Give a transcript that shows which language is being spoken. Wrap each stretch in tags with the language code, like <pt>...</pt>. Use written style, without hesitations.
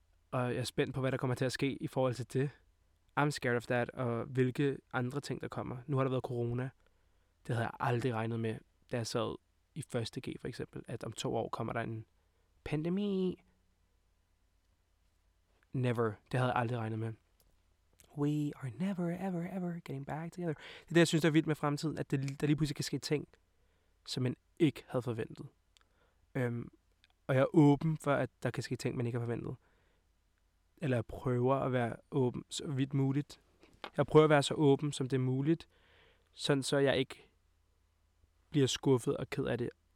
<da>Og jeg er spændt på, hvad der kommer til at ske i forhold til det.</da> <en>I'm scared of that,</en> <da>og hvilke andre ting, der kommer. Nu har der været corona. Det havde jeg aldrig regnet med, da jeg sad i 1.G for eksempel, at om 2 år kommer der en pandemi.</da> <en>Never.</en> <da>Det havde jeg aldrig regnet med.</da> <en>We are never, ever, ever getting back together.</en> <da>Det er det, jeg synes, der er vildt med fremtiden, at der lige pludselig kan ske ting, som man ikke havde forventet. Og jeg er åben for, at der kan ske ting, man ikke har forventet. Eller jeg prøver at være åben så vidt muligt. Jeg prøver at være så åben, som det er muligt, sådan så jeg ikke bliver skuffet og ked af det.</da>